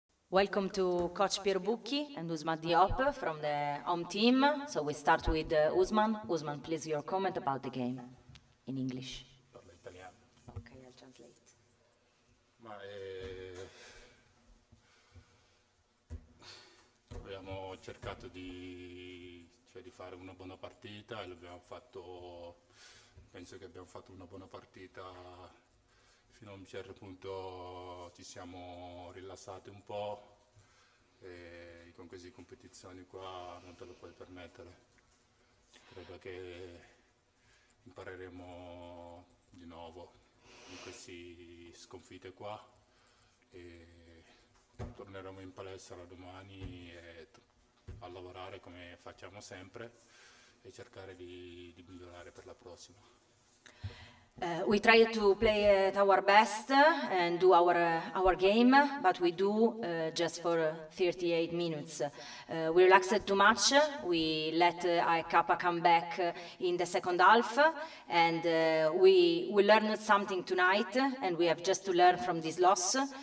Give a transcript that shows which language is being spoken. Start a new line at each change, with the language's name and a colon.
English: Welcome to Coach Pierre Bucchi and Usman Diop from the home team. So we start with Usman. Usman, please, your comment about the game in English.
Italian: Parla italiano.
English: Ok, I'll translate.
Italian: Ma abbiamo cercato di fare una buona partita e l'abbiamo fatto penso che abbiamo fatto una buona partita. Fino a un certo punto ci siamo rilassati un po', e con queste competizioni qua non te lo puoi permettere. Credo che impareremo di nuovo in queste sconfitte qua e torneremo in palestra domani e a lavorare come facciamo sempre e cercare di migliorare per la prossima.
English: We try to play at our best and do our game, but we do just for 38 minutes. We relaxed too much. We let Kappa come back in the second half, and we learned something tonight, and we have just to learn from this loss.